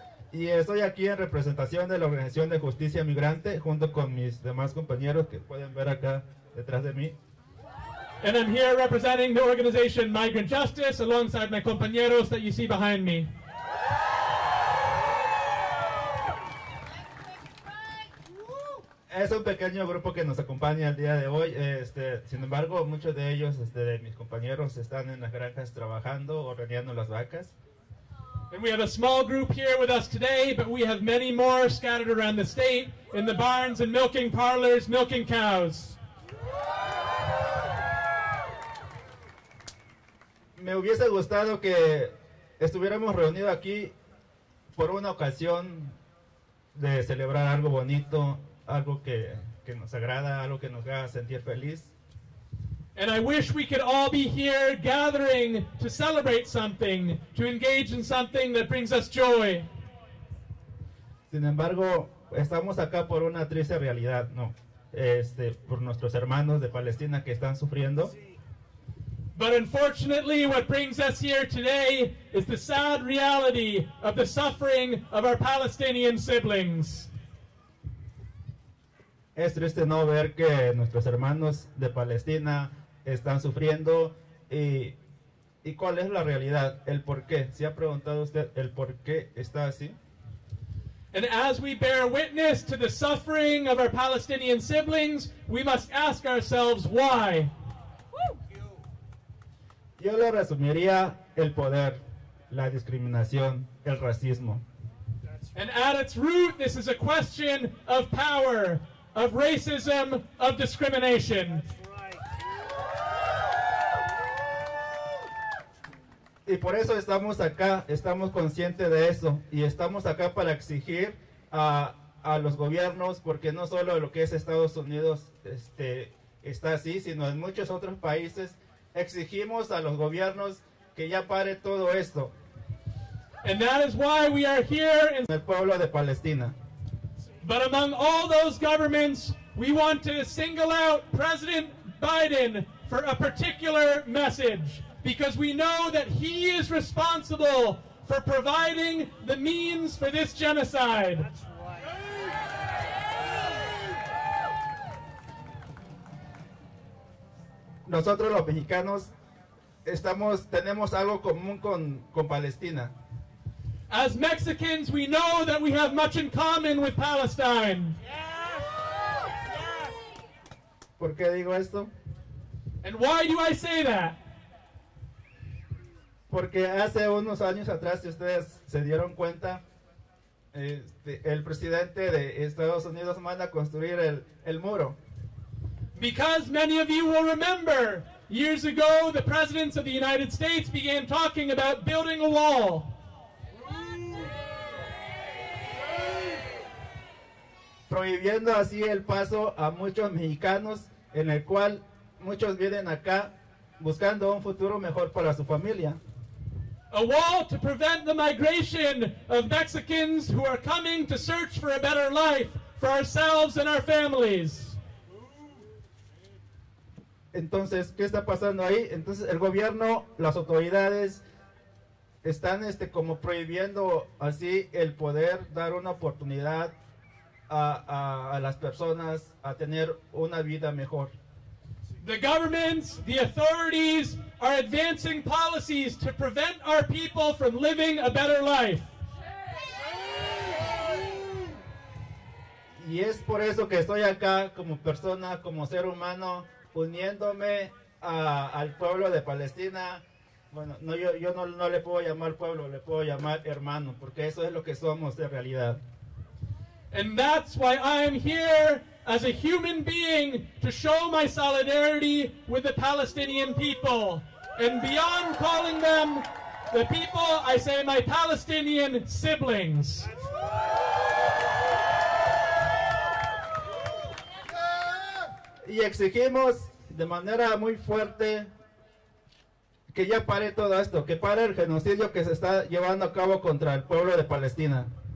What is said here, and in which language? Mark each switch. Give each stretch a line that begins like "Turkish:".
Spanish: Y estoy aquí en representación de la Organización de Justicia Migrante junto con mis demás compañeros que pueden ver acá detrás de mí.
English: And I'm here representing the organization Migrant Justice alongside my compañeros that you see behind me.
Spanish: Es un pequeño grupo que nos acompaña el día de hoy. Sin embargo, muchos de ellos, de mis compañeros, están en las granjas trabajando o rodeando las vacas.
English: And we have a small group here with us today, but we have many more scattered around the state in the barns and milking parlors, milking cows.
Spanish: Me hubiese gustado que estuviéramos reunidos aquí por una ocasión de celebrar algo bonito, algo que nos agrada, algo que nos haga sentir feliz.
English: And I wish we could all be here gathering to celebrate something, to engage in something that brings us joy.
Spanish: Sin embargo, estamos acá por una triste realidad, no. Por nuestros hermanos de Palestina que están sufriendo.
English: But unfortunately, what brings us here today is the sad reality of the suffering of our Palestinian siblings.
Spanish: Es triste no ver que nuestros hermanos de Palestina están sufriendo y ¿cuál es la realidad? ¿El por qué? ¿Se ha preguntado usted el por qué está así?
English: And as we bear witness to the suffering of our Palestinian siblings, we must ask ourselves why.
Spanish: Yo le resumiría el poder, la discriminación, el racismo.
English: And at its root, this is a question of power, of racism, of discrimination.
Spanish: Y por eso estamos acá, estamos conscientes de eso, y estamos acá para exigir a los gobiernos, porque no solo lo que es Estados Unidos está así, sino en muchos otros países, exigimos a los gobiernos que ya pare todo esto.
English: And that is why we are here in
Spanish: el pueblo de Palestina.
English: But among all those governments, we want to single out President Biden for a particular message. Because we know that he is responsible for providing the means for this genocide. That's right.
Spanish: Nosotros los mexicanos tenemos algo común con Palestina.
English: As Mexicans, we know that we have much in common with Palestine. Yes. Yes.
Spanish: ¿Por qué digo esto?
English: And why do I say that?
Spanish: Porque hace unos años atrás, si ustedes se dieron cuenta, el presidente de Estados Unidos manda construir el muro.
English: Because many of you will remember Years ago, the presidents of the United States began talking about building a wall.
Spanish: Prohibiendo así el paso a muchos mexicanos, en el cual muchos vienen acá buscando un futuro mejor para su familia.
English: A wall to prevent the migration of Mexicans who are coming to search for a better life for ourselves and our families.
Spanish: Entonces, ¿qué está pasando ahí? Entonces, el gobierno, las autoridades están como prohibiendo así el poder dar una oportunidad a las personas a tener una vida mejor.
English: The governments, the authorities are advancing policies to prevent our people from living a better life.
Spanish: Y es por eso que estoy acá como persona, como ser humano, uniéndome al pueblo de Palestina. Bueno, no, yo no le puedo llamar pueblo, le puedo llamar hermano, porque eso es lo que somos de realidad.
English: And that's why I am here as a human being to show my solidarity with the Palestinian people. And beyond calling them the people, I say my Palestinian siblings.
Spanish: Y exigimos de manera muy fuerte que ya pare todo esto, que pare el genocidio que se está llevando a cabo contra el pueblo de Palestina.